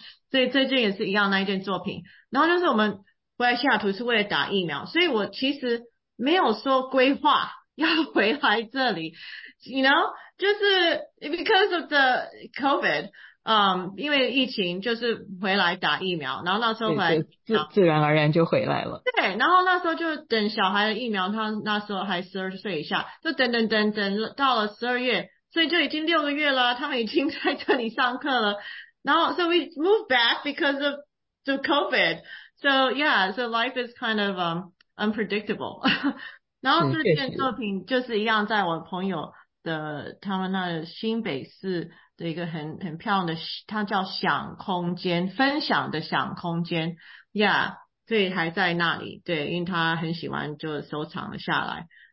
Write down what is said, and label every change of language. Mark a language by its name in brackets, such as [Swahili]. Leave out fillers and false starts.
[Chinese] 所以这件也是一样那一件作品，然后就是我们回来西雅图是为了打疫苗，所以我其实没有说规划要回来这里 [English] you know, [Chinese] 就是 [English] because of the COVID, [Chinese] 因为疫情就是回来打疫苗，然后那时候回来自然而然就回来了，对，然后那时候就等小孩的疫苗，他那时候还12岁以下，就等到了12月，所以就已经6个月了，他们已经在这里上课了。然后 [English] ,so we moved back because of the COVID. So yeah, so life is kind of unpredictable. [Chinese] 然后这件作品就是一样在我朋友的他们那新北市的一个很漂亮的，它叫想空间，分享的想空间。 [English] Yeah, [Chinese] 所以还在那里，对，因为他很喜欢就收藏了下来。